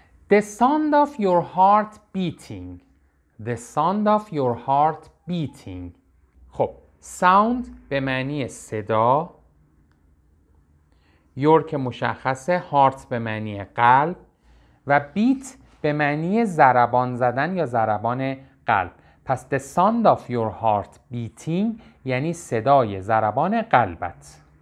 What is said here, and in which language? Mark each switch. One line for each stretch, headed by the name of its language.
English: The sound of your heart beating. The sound of your heart beating.
Persian: خب sound به معنی صدا. Your که مشخصه، heart به معنی قلب و beat به معنی ضربان زدن یا ضربان قلب. پس
English: the sound of your heart beating
Persian: یعنی صدای ضربان قلبت.